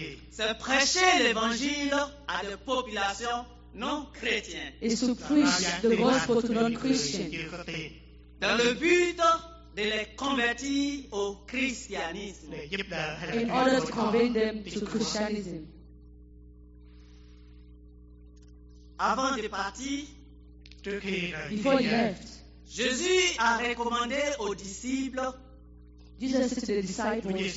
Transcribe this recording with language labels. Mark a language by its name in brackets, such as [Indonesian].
[French] c'est prêcher l'évangile à des populations non chrétiennes. [English] Et to preach the gospel to non-Christians. [French] Dans le but de les convertir au christianisme. [English] In order to convert them to Christianism. [French] Avant de partir, [English] before he left, [French] Jésus a recommandé aux disciples, [English] Jesus said to the disciples,